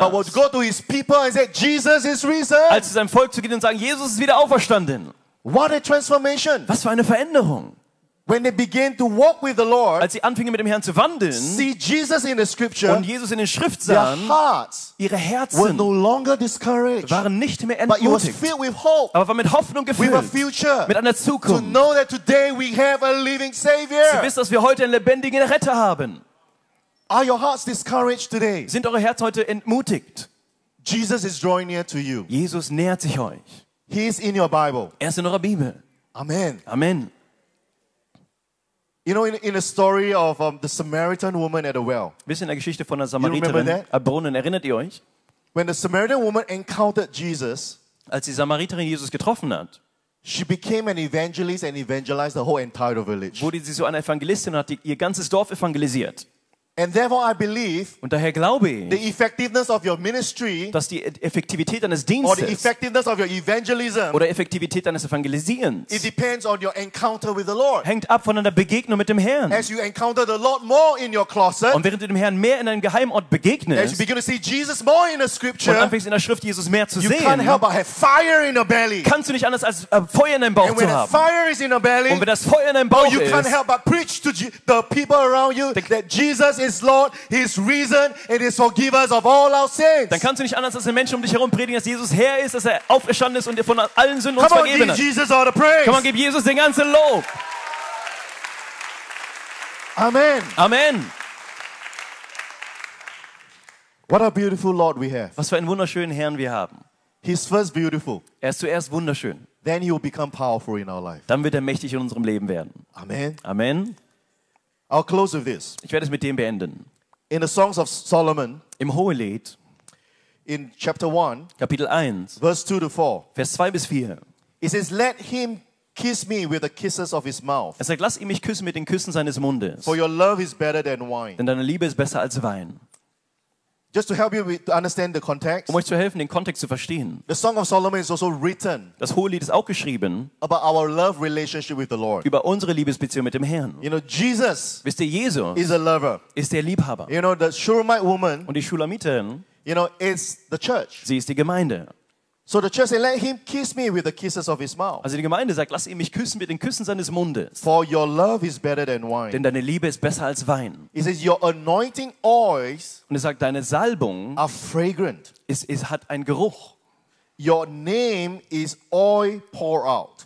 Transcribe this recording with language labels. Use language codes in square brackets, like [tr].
[en] But what go to his people and say Jesus is risen. [de] Als zu seinem Volk zu gehen und sagen, Jesus ist wieder auferstanden. [en] What a transformation! [de] Was für eine Veränderung! [en] When they began to walk with the Lord, [de] als sie anfingen mit dem Herrn zu wandeln, [en] see Jesus in the scripture, [de] und Jesus in den Schrift sahen, [en] their hearts, [de] ihre Herzen, [en] were no longer discouraged, [de] waren nicht mehr entmutigt, [en] but was filled with hope, [de] aber waren mit Hoffnung gefüllt, [en] with a future, [de] mit einer Zukunft, [en] to know that today we have a living Savior. [de] Sie wissen, dass wir heute einen lebendigen Retter haben. [en] Are your hearts discouraged today? [de] Sind eure Herzen heute entmutigt? [en] Jesus is drawing near to you. [de] Jesus nähert sich euch. [en] He is in your Bible. [de] Er ist in eurer Bibel. [en] Amen. [de] Amen. [en] You know, in the story of the Samaritan woman at the well. [de] Wisst ihr, in der Geschichte von der Samariterin am Brunnen, erinnert ihr euch? [en] When the Samaritan woman encountered Jesus, [de] als die Samariterin Jesus getroffen hat, [en] she became an evangelist and evangelized the whole entire village. [de] Wurde sie so eine Evangelistin und hat ihr ganzes Dorf evangelisiert. [en] And therefore I believe, [de] und daher glaube ich, [en] the effectiveness of your ministry, [de] dass die Effektivität deines Dienstes, [en] or the effectiveness of your evangelism, [de] oder Effektivität deines Evangelisierens, [en] it depends on your encounter with the Lord. [de] Hängt ab von einer Begegnung mit dem Herrn. [en] As you encounter the Lord more in your closet, [de] und während du dem Herrn mehr in einem Geheimort begegnest, [en] as you begin to see Jesus more in the scripture, [de] und anfängst in der Schrift Jesus mehr zu [en] you [de] sehen, [en] can't help but have fire in your belly. [de] Kannst du nicht anders als Feuer in deinem Bauch [en] and when [de] zu haben. [en] Fire is in your belly, [de] und wenn das Feuer in deinem Bauch [en] you [de] ist, [en] can't help but preach to the people around you that Jesus is is Lord, he is risen, and he is forgiver of all our sins. [de] Dann kannst du nicht anders als den Menschen um dich herum predigen, dass Jesus Herr ist, dass er auferstanden ist und er von allen Sünden uns vergeben hat. [en] Come on, give Jesus all the praise. [de] Komm, gib Jesus den ganzen Lob. [en] Amen. [de] Amen. [en] What a beautiful Lord we have. [de] Was für einen wunderschönen Herrn wir haben. [en] He's first beautiful. [de] Er ist zuerst wunderschön. [en] Then he will become powerful in our life. [de] Dann wird er mächtig in unserem Leben werden. [en] Amen. [de] Amen. [en] I'll close with this. [de] Ich werde es mit dem beenden. [en] In the Songs of Solomon, [de] im Hohelied, [en] in chapter 1, [de] Kapitel 1, [en] verse 2 to 4, [de] Vers 2 bis 4. [en] It says, let him kiss me with the kisses of his mouth. [de] Er sagt, lass ihn mich küssen mit den Küssen seines Mundes. [en] For your love is better than wine. [de] Denn deine Liebe ist besser als Wein. [en] Just to help you to understand the context. [de] Um euch zu helfen, den Kontext zu verstehen. [en] The Song of Solomon is also written. [de] Das Hohelied ist auch geschrieben. [en] About our love relationship with the Lord. [de] Über unsere Liebesbeziehung mit dem Herrn. [en] You know, Jesus. [de] Wisst ihr, Jesus [en] is a lover. [de] Ist der Liebhaber. [en] You know, the Shulamite woman. [de] Und die Shulamitin. [en] You know, is the church. [de] Sie ist die Gemeinde. [en] So the church said, let him kiss me with the kisses of his mouth. [de] Also die Gemeinde sagt, lass ihn mich küssen mit den Küssen seines Mundes. [en] For your love is better than wine. [de] Denn deine Liebe ist besser als Wein. [en] He says, your anointing oils. [de] Und er sagt, deine Salbung [en] are fragrant. [de] Es hat einen Geruch. [en] Your name is oil poured out.